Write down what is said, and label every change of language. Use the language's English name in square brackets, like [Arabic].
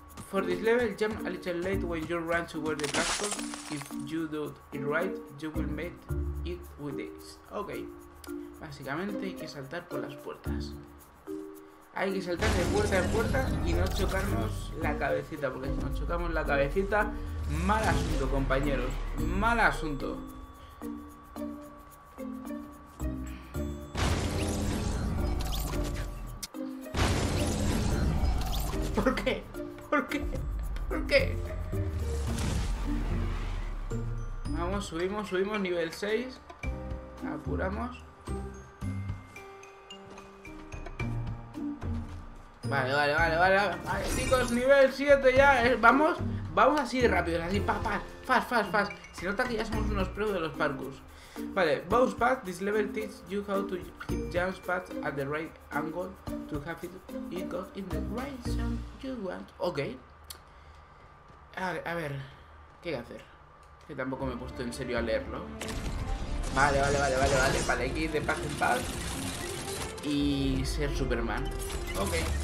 [English] For this level, jump a little late when you run towards the castle. If you do it right, you will make it with this. [Spanish] Ok. Básicamente hay que saltar por las puertas. Hay que saltar de puerta en puerta y no chocarnos la cabecita. Porque si nos chocamos la cabecita, mal asunto, compañeros. Mal asunto. ¿Por qué? ¿Por qué? ¿Por qué? Vamos, subimos nivel 6. Apuramos. Vale, chicos, nivel 7 ya. Vamos así de rápido, así, fast. Se nota que ya somos unos pros de los parkours. Vale, [English] bounce pad, this level teaches you how to hit jump pads at the right angle to have it go in the right zone you want. [Spanish] Ok. A ver, ¿qué hay que hacer? Que tampoco me he puesto en serio a leerlo. Vale, hay que ir de paz en paz y ser Superman. Ok.